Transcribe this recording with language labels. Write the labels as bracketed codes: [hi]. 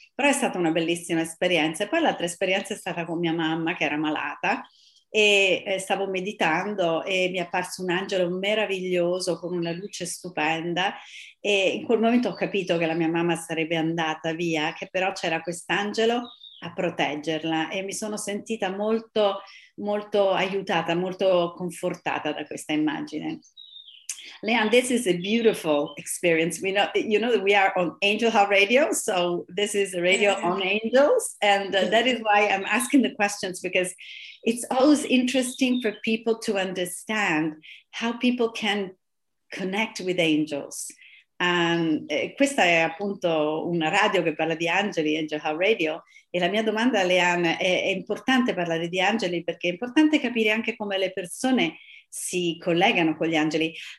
[it] Però è stata una bellissima esperienza. E poi l'altra esperienza è stata con mia mamma, che era malata, e stavo meditando e mi è apparso un angelo meraviglioso con una luce stupenda. E in quel momento ho capito che la mia mamma sarebbe andata via, che però c'era quest'angelo a proteggerla. E mi sono sentita molto, molto aiutata, molto confortata da questa immagine. [en] Leanne, this is a beautiful experience. We know, you know, that we are on Angel Heart Radio, so this is a radio on angels, and that is why I'm asking the questions, because it's always interesting for people to understand how people can connect with angels. [it] Questa è appunto una radio che parla di angeli, Angel Heart Radio, e la mia domanda, Leanne, è importante parlare di angeli perché è importante capire anche come le persone si collegano con gli angeli.